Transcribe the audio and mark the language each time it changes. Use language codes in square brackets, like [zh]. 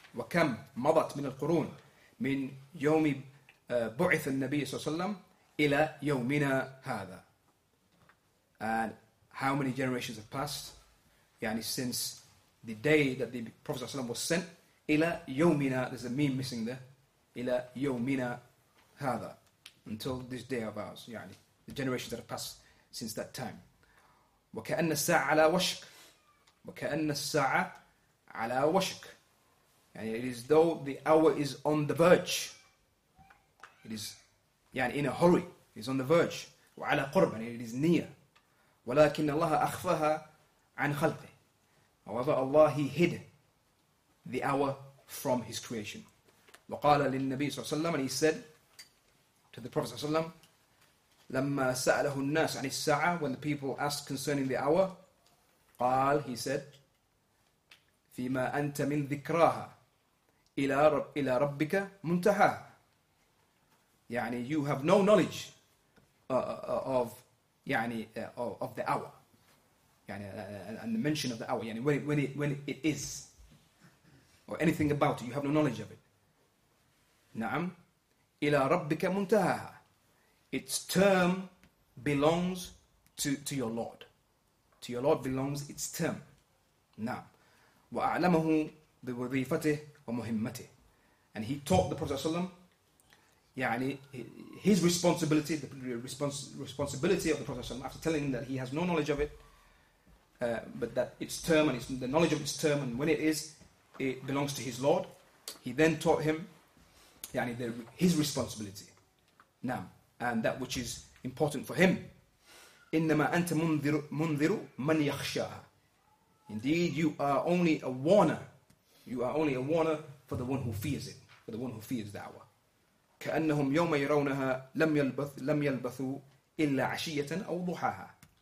[ar] وكم مضت من القرون من يوم بعث النبي صلى الله عليه وسلم إلى يومنا هذا. [en] And how many generations have passed, يعني since the day that the Prophet ﷺ was sent, [ar] إلى يومنا, [en] there's a meme missing there, [ar] إلى يومنا هذا, [en] until this day of ours, يعني the generations that have passed since that time. [ar] وكأن الساعة على وشك, [en] وكأن الساعة على وشك, يعني it is though the hour is on the verge, it is يعني in a hurry, it is on the verge, [ar] وعلى قرب, [en] يعني it is near. [ar] ولكن الله أخفاها عن خلقه. [en] However, Allah, he hid the hour from his creation. [ar] وقال للنبي صلى الله عليه وسلم, [en] and he said to the Prophet [ar] صلى الله عليه وسلم, لما سأله الناس عن الساعة, [en] when the people asked concerning the hour, [ar] قال, [en] he said, [ar] فيما أنت من ذكراها إلى ربك منتهى. [en] يعني you have no knowledge of the hour, يعني and the mention of the hour, يعني when it is, or anything about it, you have no knowledge of it. [ar] نعم, إلى ربك منتهاها. [en] Its term belongs to your Lord. To your Lord belongs its term. نعم. [ar] وأعلمه بوظيفته ومهمته. [en] And he taught the Prophet ﷺ, يعني his responsibility, the responsibility of the Prophet ﷺ, after telling him that he has no knowledge of it, but that its term and the knowledge of its term and when it is, it belongs to his Lord. He then taught him, يعني his responsibility. نعم. And that which is important for him. [ar] إنما أنت منذر من يخشاها. [en] Indeed, you are only a warner. You are only a warner for the one who fears it, for the one who fears the hour. [ar] كأنهم يوم يرونها لم يلبثوا إلا عشية أو ضحاها.